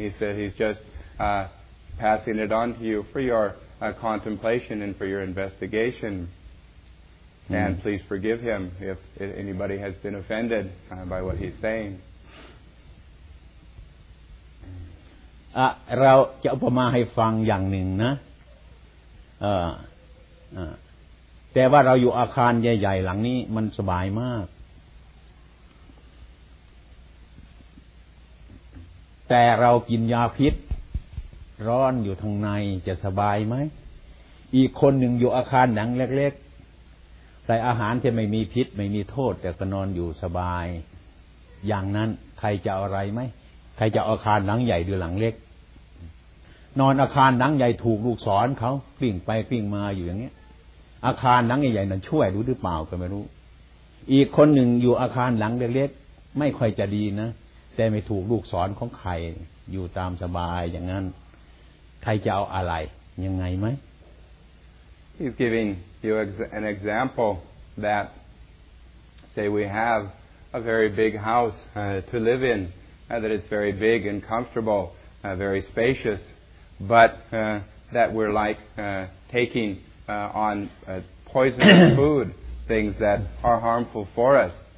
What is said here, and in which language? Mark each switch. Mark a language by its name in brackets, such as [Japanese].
[English] He said he's just passing it on to you for your contemplation and for your investigation. And please forgive him if anybody has been offended by what he's saying. [Thai] เราจะอุปมาให้ฟังอย่างหนึ่งนะแต่ว่าเราอยู่อาคารใหญ่ๆหลังนี้มันสบายมากแต่เรากินยาพิษร้อนอยู่ทางในจะสบายไหมอีกคนหนึ่งอยู่อาคารหลังเล็กๆใส่อาหารที่ไม่มีพิษไม่มีโทษแต่ก็นอนอยู่สบายอย่างนั้นใครจะอะไรไหมใครจะอาคารหลังใหญ่หรือหลังเล็ก นอนอาคารหนังใหญ่ถูกลูกศรเขากลิ้งไปกลิ้งมาอยู่อย่างเงี้ยอาคารหนังใหญ่ๆนั้นช่วยรู้หรือเปล่าก็ไม่รู้อีกคนหนึ่งอยู่อาคารหลังเล็กๆไม่ค่อยจะดีนะแต่ไม่ถูกลูกศรของใครอยู่ตามสบายอย่างนั้นใครจะเอาอะไรยังไงไหม [English] He's giving you an example that say we have a very big house to live in that it's very big and comfortable very spaciousBut that we're like taking on poisonous food, things that are harmful for us.